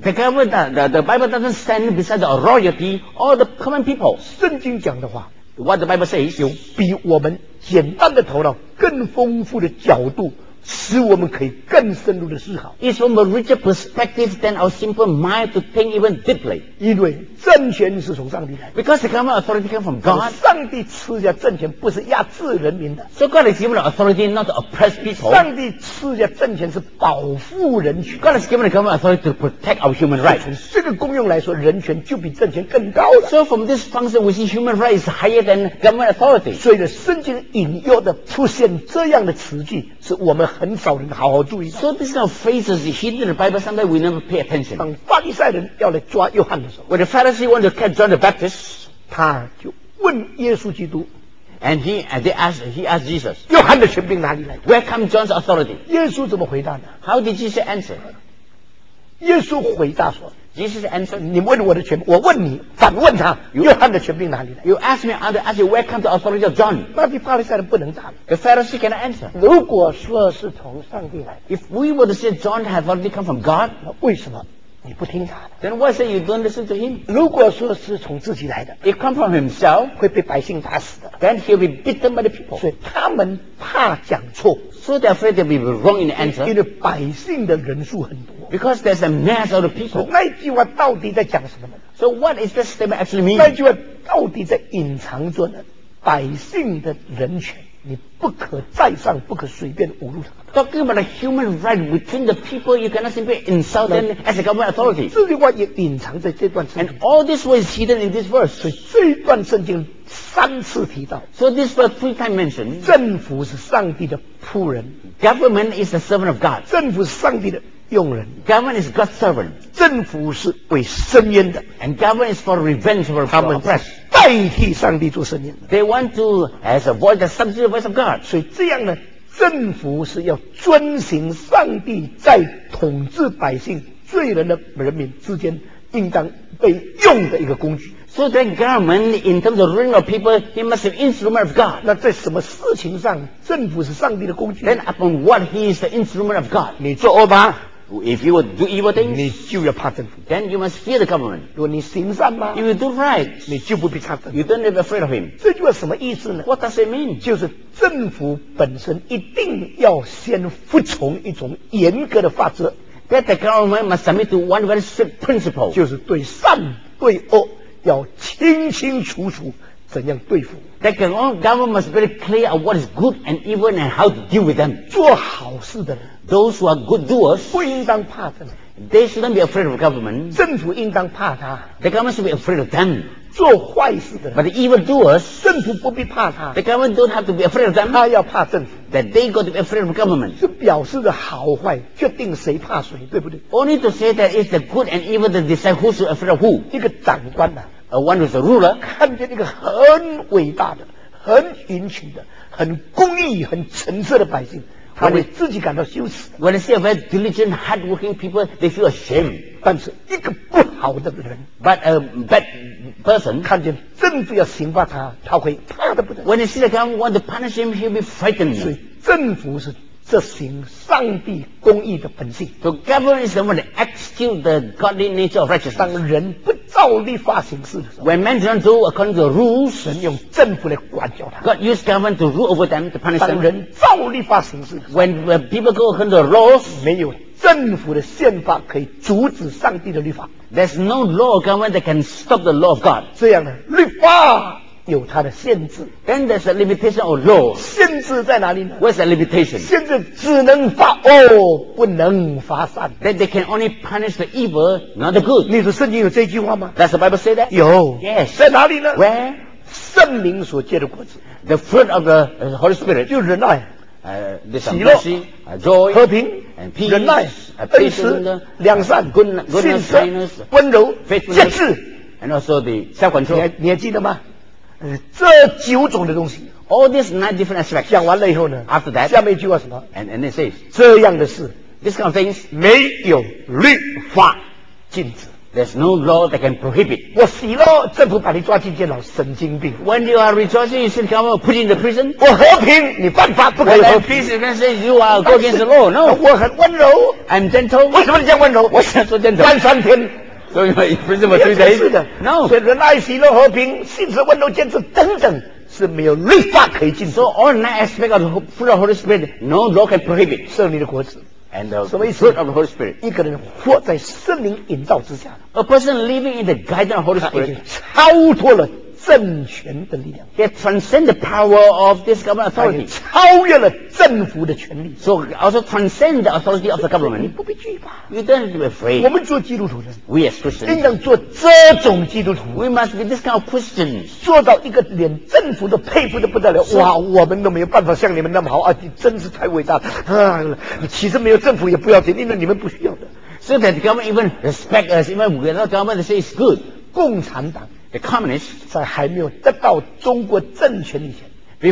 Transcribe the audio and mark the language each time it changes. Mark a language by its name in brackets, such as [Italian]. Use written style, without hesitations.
[English] The Bible doesn't stand beside the royalty or the common people. [Chinese] 圣经讲的话 [English] What the Bible says [Chinese] 有比我们简单的头脑更丰富的角度使我们可以更深入的思考 [English] It's from a richer perspective than our simple mind to think even deeply [Chinese] 因为政权是从上帝来的 [English] Because the government authority comes from God [Chinese] 上帝赐下政权不是压制人民的 [English] So God has given the authority not to oppress people [Chinese] 上帝赐下政权是保护人权 [English] God has given the government authority to protect our human rights [Chinese] 从这个功用来说人权就比政权更高了 [English] So from this function we see human rights is higher than government authority [Chinese] 所以呢圣经引诱的出现这样的词句是我们很少人好好注意。 [English] So this kind of phrases hidden in the Bible, sometimes we never pay attention. [Chinese] 当法利赛人要来抓约翰的时候 [English] ，When the Pharisee wanted to catch John the Baptist, [Chinese] 他就问耶稣基督 [English] ，And he asked Jesus, [Chinese] 约翰的权柄哪里来 [English] ？Where come John's authority? [Chinese] 耶稣怎么回答呢 [English] ？How did Jesus answer? [Chinese] 耶稣回答说 [English] ，Jesus answered, [Chinese] 你问我的权柄，我问你，反问他，约翰的权柄哪里来 [English] ？You ask me, I'll ask you, where come the authority of John? [Chinese] 那些法利赛人不能答 [English] ，The Pharisee cannot answer. [Chinese] 如果说是从上帝来 [English] ，If we were to say John has already come from God, [Chinese] 那为什么你不听他的。 [English] Then why say you don't listen to him? [Chinese] 如果说是从自己来的 [English] ，It come from himself， [Chinese] 会被百姓打死的。 [English] Then he'll be beaten by the people。 [Chinese] 所以他们怕讲错 [English] ，So they're afraid they'll be wrong in the answer。 [Chinese] 因为百姓的人数很多 [English] ，Because there's a mass of the people。 [Chinese] 那句话到底在讲什么呢 [English] ？So what is this statement actually mean？ [Chinese] 那句话到底在隐藏着呢？百姓的人权，你不可再上，不可随便侮辱他。 [English] Talking about a human right within the people, you cannot simply insult them as a government authority. [Chinese] 这句话也隐藏在这段圣经。 [English] And all this was hidden in this verse. [Chinese] 所以这一段圣经三次提到。 [English] So this verse three times mentioned. [Chinese] 政府是上帝的仆人。 [English] Government is the servant of God. [Chinese] 政府是上帝的用人。 [English] Government is God's servant. [Chinese] 政府是为伸冤的。 [English] And government is for revenge for the oppressed. [Chinese] 代替上帝做声音 [English] They want to as a voice that substitutes the voice of God [Chinese] 所以这样呢政府是要遵循上帝在统治百姓罪人的人民之间应当被用的一个工具 [English] So then government in terms of ruling of people he must be instrument of God [Chinese] 那在什么事情上政府是上帝的工具 [English] Then upon what he is the instrument of God [Chinese] 你做恶吧 [English] If you will do evil things, [Chinese] 你就要怕政府。 [English] Then you must fear the government. [Chinese] 如果你行善吗 [English] ？If you do right, [Chinese] 你就不必怕政府。 [English] You don't be afraid of him. [Chinese] 这句话什么意思呢 [English] ？What does it mean? [Chinese] 就是政府本身一定要先服从一种严格的法则。 [English] That the government must submit to one very strict principle. [Chinese] 就是对善对恶要清清楚楚怎样对付。 [English] That the government must be clear of what is good and evil and how to deal with them. [Chinese] 做好事的人。 [English] Those who are good doers [Chinese] 不应当怕政府 [English] They shouldn't be afraid of government [Chinese] 政府应当怕他 [English] The government should be afraid of them [Chinese] 做坏事的人 [English] But the evil doers [Chinese] 政府不必怕他 [English] The government don't have to be afraid of them [Chinese] 他要怕政府 [English] That they got to be afraid of government [Chinese] 是表示的好坏决定谁怕谁对不对 [English] Only to say that it's the good and evil that decide who's afraid of who [Chinese] 一个长官啊 [English] One who's a ruler [Chinese] 看见一个很伟大的很殷勤的很公益很诚实的百姓他为自己感到羞耻。 [English] When they see a very diligent, hardworking people, they feel ashamed. [Chinese] 但是一个不好的人 [English] ，but a bad person， [Chinese] 看见政府要刑罚他，他会怕得不得。 [English] When they see the government want to punish him, he'll be frightened. [Chinese] 所以政府是执行上帝公义的本性。 [English] So government is the one to execute the godly nature of righteousness. [Chinese] 当人不照例发行事的时候 [English] ，When men don't do according to the rules， [Chinese] 神用政府来管教他。 [English] God used government to rule over them to punish them。 [Chinese] 当人照例发行事 [English] ，When people go according to the laws， [Chinese] 没有政府的宪法可以阻止上帝的律法。 [English] There's no law of government that can stop the law of God。 [Chinese] 这样的律法有它的限制。 [English] Then there's a limitation of law。 [Chinese] 限制在哪里呢 [English] ？Where's the limitation？ [Chinese] 限制只能罚恶，不能罚善。 [English] That they can only punish the evil, not the good。 [Chinese] 你说圣经有这句话吗 [English] ？Does the Bible say that？ [Chinese] 有。 [English] Yes。 [Chinese] 在哪里呢 [English] ？Where？ [Chinese] 圣灵所结的果子。 [English] The fruit of the Holy Spirit。 [Chinese] 就忍耐。喜乐。 [English] Joy。 [Chinese] 和平。 [English] And peace。 [Chinese] 忍耐。恩慈。良善。 [English] Goodness。 [Chinese] 信实。温柔。 [English] Faithfulness。 [Chinese] 节制。 [English] And also the self-control。 [Chinese] 你还记得吗？这九种的东西 [English] All these nine different aspects [Chinese] 讲完了以后呢 [English] After that [Chinese] 下面一句话什么 [English] And it says [Chinese] 这样的事 [English] This kind of things [Chinese] 没有律法禁止 [English] There's no law that can prohibit [Chinese] 我喜乐政府把你抓进监牢神经病 [English] When you are rejoicing you should come put in the prison [Chinese] 我和平你犯法不可能 [English] When you are peace you can say you are go against the law No [Chinese] 我很温柔 [English] I'm gentle [Chinese] 为什么你这样温柔我想说 gentle 关三天所以你不是这么对待的 [English] ，no， [Chinese] 所以仁爱、喜乐、和平、信实、温柔、坚持等等是没有律法可以禁止。 [English] So all nine aspects of the fruit of Holy Spirit, no law can prohibit [Chinese] 圣灵的果子。 [English] And the fruit of the Holy Spirit， [Chinese] 一个人活在圣灵引导之下 [English] ，a person living in the guidance of Holy Spirit， [Chinese] 超脱了政权的力量 [English] ，get transcend the power of this government authority， [Chinese] 超越了政府的权力 [English] ，so also transcend the authority of the government。 [Chinese] 你不必惧怕 [English] ，you don't need to be afraid。 [Chinese] 我们做基督徒人 [English] ，we as Christians， [Chinese] 应当做这种基督徒 [English] ，we must be this kind of Christians。 [Chinese] 做到一个连政府都佩服的不得了，哇，我们都没有办法像你们那么好啊，你真是太伟大了啊！其实没有政府也不要紧，因为你们不需要的。 [English] So that the government even respect us， even without government they say it's good。 [Chinese] 共产党。 [English] The communists [Chinese] 在还没有得到中国政权以前